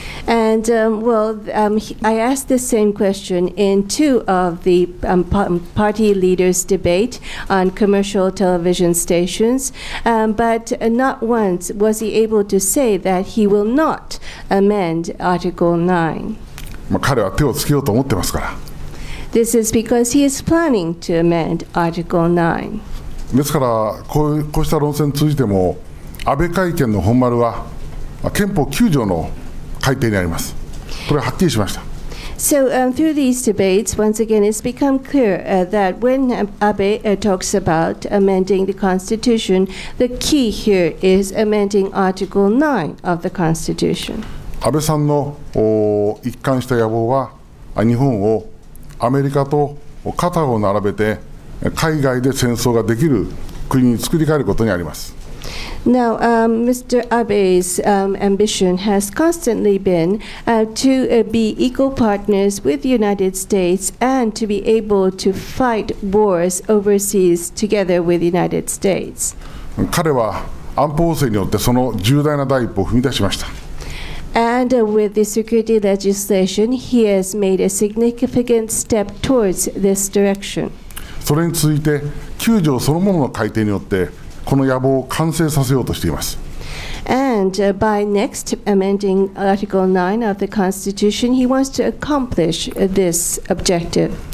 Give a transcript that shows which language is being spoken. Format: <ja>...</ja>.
<en>And I asked the same question in two of the party leaders' debate on commercial television stations, but not once was he able to say that he will not amend Article 9.</en> <ja>まあ彼は手をつけようと思ってますから。</ja> <en>This is because he is planning to amend Article 9.</en> <ja>ですからこうした論戦通じても安倍会見の本丸は憲法9条の改定にあります。これははっきりしました。</ja> <en>So, through these debates, once again, it's become clear that when Abe talks about amending the Constitution, the key here is amending Article 9 of the Constitution.</en> <ja>安倍さんの一貫した野望は、日本をアメリカと肩を並べて海外で戦争ができる国に作り変えることにあります。</ja> <en>Now, Mr. Abe's ambition has constantly been to be equal partners with the United States and to be able to fight wars overseas together with the United States.</en> <ja>彼は安保法制によってその重大な第一歩を踏み出しました。</ja> <en>And with the security legislation, he has made a significant step towards this direction.</en> <ja>それに続いて9条そのものの改定によってこの野望を完成させようとしています。</ja> <en>And by next amending Article 9 of the Constitution, he wants to accomplish this objective.</en>